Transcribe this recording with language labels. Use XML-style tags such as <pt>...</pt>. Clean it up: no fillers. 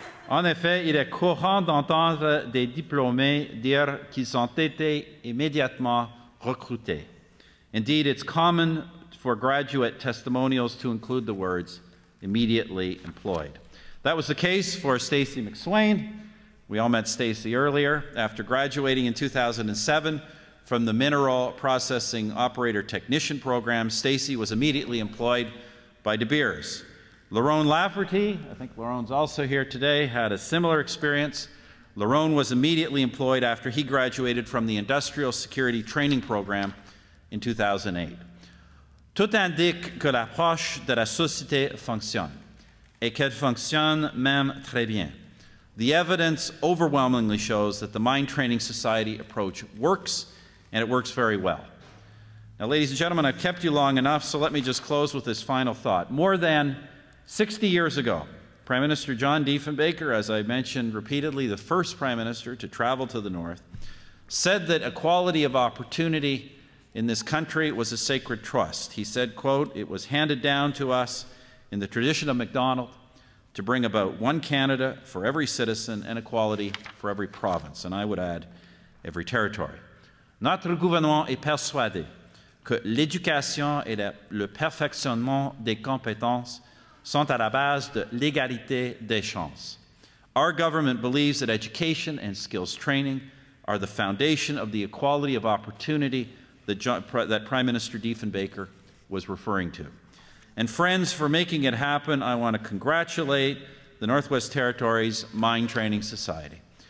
<fr>En effet, il est courant d'entendre des diplômés dire qu'ils ont été immédiatement recruter.</fr> <en>Indeed, it's common for graduate testimonials to include the words immediately employed. That was the case for Stacy McSwain. We all met Stacy earlier. After graduating in 2007 from the mineral processing operator technician program, Stacy was immediately employed by De Beers. Lerone Lafferty, I think Lerone's also here today, had a similar experience. Lerone was immediately employed after he graduated from the industrial security training program in 2008.</en> <fr>Tout indique que l'approche de la société fonctionne, et qu'elle fonctionne même très bien.</fr> <en>The evidence overwhelmingly shows that the Mine Training Society approach works, and it works very well. Now, ladies and gentlemen, I've kept you long enough, so let me just close with this final thought. More than 60 years ago, Prime Minister John Diefenbaker, as I mentioned repeatedly, the first Prime Minister to travel to the North, said that equality of opportunity in this country was a sacred trust. He said, quote, "It was handed down to us in the tradition of MacDonald to bring about one Canada for every citizen and equality for every province," and I would add, every territory.</en> <fr>Notre gouvernement est persuadé que l'éducation et le perfectionnement des compétences sont à la base de l'égalité des chances.</fr> <en>Our government believes that education and skills training are the foundation of the equality of opportunity that Prime Minister Diefenbaker was referring to. And friends, for making it happen, I want to congratulate the Northwest Territories Mine Training Society.</en>